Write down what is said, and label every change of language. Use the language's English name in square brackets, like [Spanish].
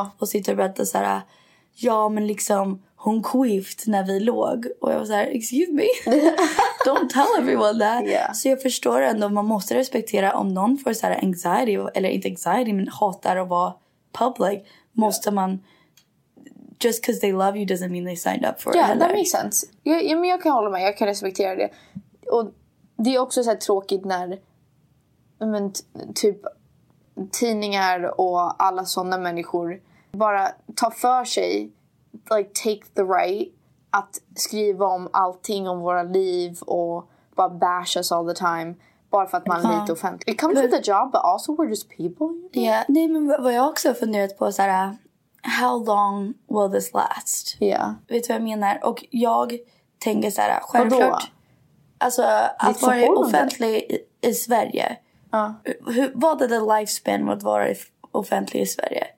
[Swedish] Och sitter och berättar så här, ja, men liksom... Hon quiffed när vi låg. Och jag var så här, excuse me. Don't tell everyone that. [English] Yeah. [Swedish] Så jag förstår ändå, man måste respektera om någon får så här anxiety. Eller inte anxiety, men hatar att vara public. Måste man... [English] Just because they love you doesn't mean they signed up for it. Yeah, that makes sense. [Swedish] Ja, men jag kan hålla med, jag kan respektera det. Och det är också så här tråkigt när... Men typ tidningar och alla sådana människor... Bara tar för sig... Like, take the right att skriva om allting om våra liv och bara bash us all the time bara för att man är lite offentlig. [English] It comes with a job, but also we're just people. [Swedish] Yeah, nej, men vad jag också funderat på är såhär, how long will this last? [English] Yeah. [Swedish] Vet du vad jag menar? Och jag tänker såhär, självklart... Vadå? Alltså, att vara offentlig i Sverige. Vad är the lifespan att vara offentlig i Sverige?